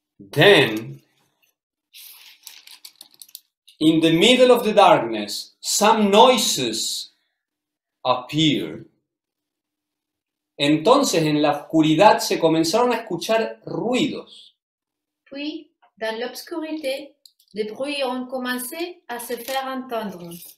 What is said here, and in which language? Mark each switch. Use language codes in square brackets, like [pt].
[en] Then, in the middle of the darkness, some noises appeared. [es] Entonces, en la oscuridad, se comenzaron a escuchar ruidos. [fr] Puis, dans l'obscurité, des bruits ont commencé à se faire entendre.